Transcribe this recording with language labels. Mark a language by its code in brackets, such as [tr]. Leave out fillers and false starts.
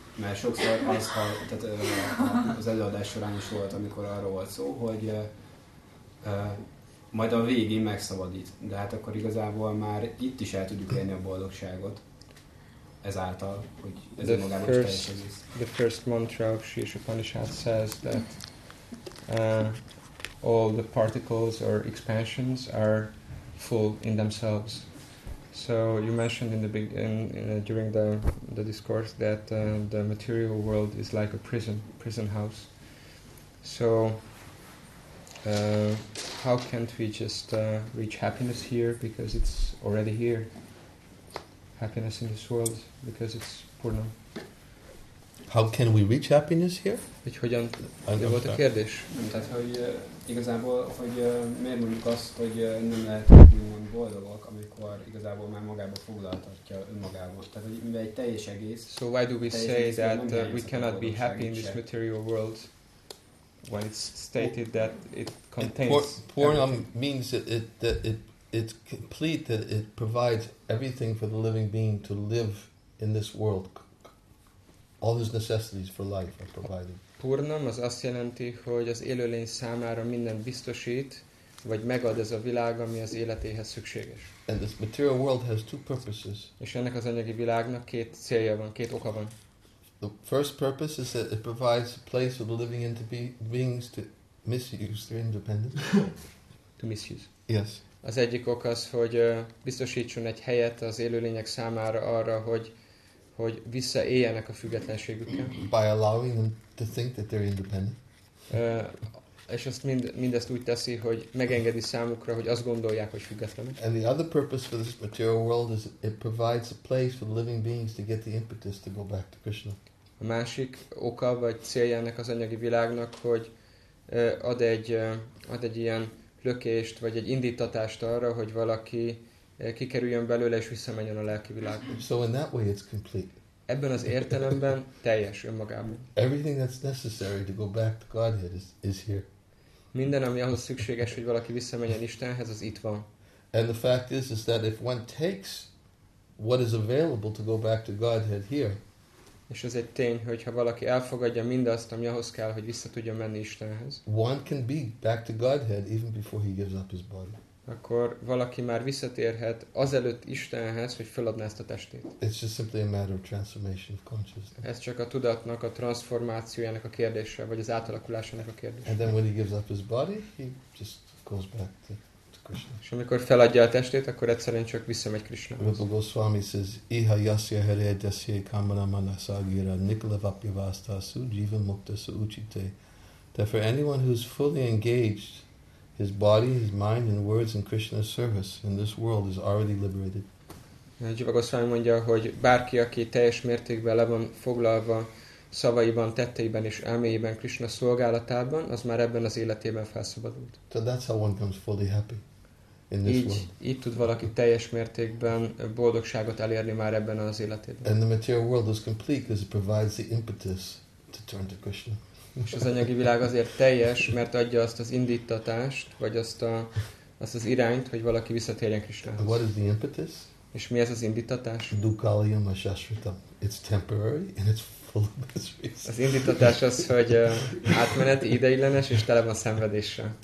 [hu] Mert sokszor az, tehát az előadás során is volt, amikor arról volt szó, hogy majd a végén megszabadít. De hát akkor igazából már itt is el tudjuk élni a boldogságot ezáltal, hogy ez a magában is teljesen is. [en] The first mantra of Sri Upanishad says that all the particles or expansions are full in themselves. So you mentioned in the during the discourse that the material world is like a prison house. So how can't we just reach happiness here because it's already here? Happiness in this world because it's Purna. How can we reach happiness here? [hu] Hogy hogyan volt a kérdés? Tehát, hogy igazából, hogy miért mondjuk azt, hogy nem lehetünk boldogok, amikor igazából már magába foglaltatja önmagából. Tehát, hogy mivel egy teljes egész. [en] So why do we say that we cannot be happy in this material world when it's stated that it contains everything? Purnam means that it's complete, that it provides everything for the living being to live in this world. All his necessities for life are provided. [hu] Purnam az azt jelenti, hogy az élőlény számára mindent biztosít, vagy megad ez a világ, ami az életéhez szükséges. [en] And this material world has two purposes. [hu] És ennek az anyagi világnak két célja van, két oka van. [en] The first purpose is that it provides a place for the living beings to misuse their independence. To misuse. Yes. [hu] Az egyik ok az, hogy biztosítson egy helyet az élőlények számára arra, hogy visszaéljenek a függetlenségükkel. [en] By allowing them to think that they're independent. [hu] És azt mindezt úgy teszi, hogy megengedi számukra, hogy azt gondolják, hogy függetlenek. [en] And the other purpose for this material world is it provides a place for the living beings to get the impetus to go back to Krishna. [hu] A másik oka vagy célja ennek az anyagi világnak, hogy ad egy ilyen lökést vagy egy indítatást arra, hogy valaki kikerüljön belőle és visszamenjen a lelki világba. [en] So in that way it's complete. [hu] Ebben az értelemben teljes önmagában. [en] Everything that's necessary to go back to Godhead is here. [hu] Minden, ami ahhoz szükséges, hogy valaki visszamenjen Istenhez, az itt van. [en] And the fact is that if one takes what is available to go back to Godhead here. [hu] És ez egy tény, hogy ha valaki elfogadja mindazt, ami ahhoz kell, hogy vissza tudja menni Istenhez. [en] One can be back to Godhead even before he gives up his body. [hu] Akkor valaki már visszatérhet azelőtt Istenhez, hogy feladná ezt a testét. [en] It's just simply a matter of transformation of consciousness. [hu] Ez csak a tudatnak a transformációjának a kérdése, vagy az átalakulásának a kérdése. [en] And then when he gives up his body, he just goes back to Krishna. [hu] És amikor feladja a testét, akkor egyszerűen csak visszamegy Krishnahoz. [en] Rupa Goswami says, [sa] Iha yasya hare desye kamana manasagira nikla vapyavastasu jiva mukta su uchite. [en] Therefore anyone who's fully engaged his body, his mind, and words in Krishna's service in this world is already liberated. [hu] Jiva Goswami mondja, hogy bárki, aki teljes mértékben le van foglalva szavaiban, tetteiben és elméjében Krishna szolgálatában, az már ebben az életében felszabadult. [en] So that's how one comes fully happy in this [hu] így, [en] world. [hu] Így tud valaki teljes mértékben boldogságot elérni már ebben az életében. [en] And the material world is complete because it provides the impetus to turn to Krishna. [hu] És az anyagi világ azért teljes, mert adja azt az indítatást, vagy azt az irányt, hogy valaki visszatérjen Krisnához. [en] What is the impetus? [hu] És mi ez az indítatás? [sa] Dukkaliyam ashashvatam. [en] It's temporary and it's full of miseries. [hu] Az indítatás az, hogy átmeneti, ideiglenes és tele van szenvedéssel.